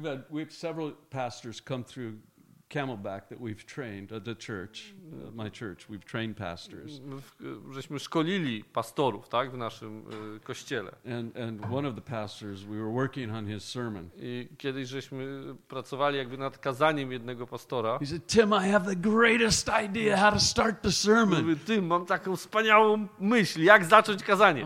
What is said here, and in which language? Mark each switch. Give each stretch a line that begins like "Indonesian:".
English: We've several pastors come through Camelback that we've trained at the church, my church, we've trained pastors.
Polish: Żeśmy szkolili pastorów, tak, w naszym kościele.
English: And one of the pastors, we were working on his sermon.
Polish: I kiedyś żeśmy pracowali jakby nad kazaniem jednego pastora.
English: He said, Tim, I have the greatest idea how to start the sermon.
Polish: Mówi, Tim, mam taką wspaniałą myśl, jak zacząć kazanie.